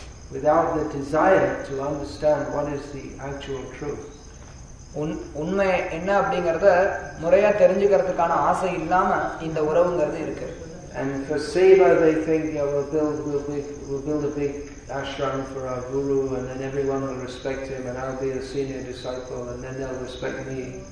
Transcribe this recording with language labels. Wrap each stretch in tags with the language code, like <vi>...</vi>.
<en>Without the desire to understand what is the actual truth.</en> <ta>உண்மை என்ன அப்படிங்கறத முறையா தெரிஞ்சுக்கிறதுக்கான ஆசை இல்லாம இந்த உறவுங்கிறது இருக்கு.</ta> <en>And for Seva, they think, yeah, we'll build a big ashram for our guru, and then everyone will respect him, and I'll be a senior disciple, and then they'll respect me.</en>